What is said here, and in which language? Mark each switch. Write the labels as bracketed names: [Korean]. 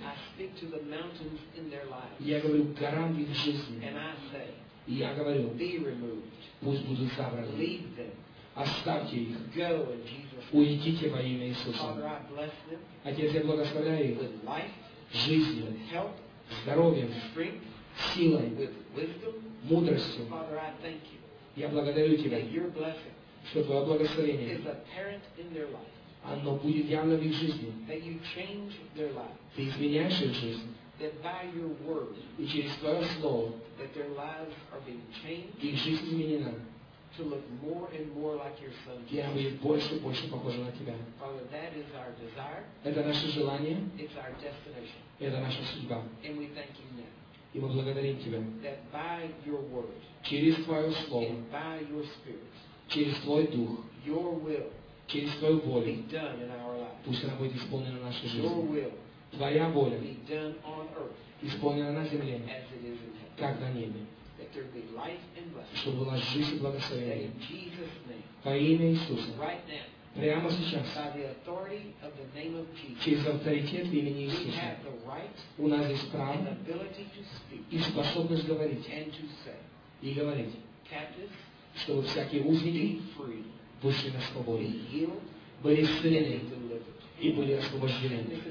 [English] I speak to the mountains in their lives, [Russian] я говорю горам в их жизни. [English] And I say, [Russian] и я говорю, [English] be removed, [Russian] пусть будут собраны. [English] Leave them, [Russian] оставьте их. [English] Go in Jesus. [Russian] Уйдите во имя Иисуса. [English] Father, I bless them, [Russian] Отец, я благословляю их [English] with life, [Russian] жизнью, [English] with help, [Russian] здоровьем, [English] strength, [Russian] силой, [English] with wisdom, [Russian] мудростью. [English] Father, I thank you, [Russian] я благодарю тебя, [English] your blessing, [Russian] что твое благословение [English] is apparent in their life, [Russian] оно будет явно в их жизни. [English] That you change their life, [Russian] ты изменяешь их жизнь. [English] That by your word, [Russian] и через твое слово, [English] that their lives are being changed, [Russian] их жизнь изменена, [English] to look more and more like your son, [Russian] и они будут больше и больше похожи на тебя. [English] Father, that is our desire, [Russian] это наше желание, [English] it's our destination, [Russian] это наша судьба. [English] And we thank you now, [Russian] и мы благодарим тебя, [English] that by your word, [Russian] через твое слово, [English] and by your spirit, [Russian] через твой дух, [English] your will, [Russian] через твою волю, [English] be done in our lives, [Russian] пусть она будет исполнена в нашей жизни. [English] Your will, [Russian] твоя воля [English] be done on earth, [Russian] исполнена на земле, [English] as it is in heaven, [Russian] как на небе. [English] That there be life and blessing, [Russian] чтобы была жизнь и благословение. [English] That in Jesus' name, [Russian] во имя Иисуса. [English] Right now, [Russian] прямо сейчас. [English] By the authority of the name of Jesus, [Russian] через авторитет в имени Иисуса. [English] We have the right, [Russian] у нас есть право [English] and ability to speak, [Russian] и способность говорить. [English] And to say, [Russian] и говорить. [English] Captives, [Russian] чтобы всякие узники вышли на свободу. [English] Be healed, [Russian] были исцелены. И были освобождены.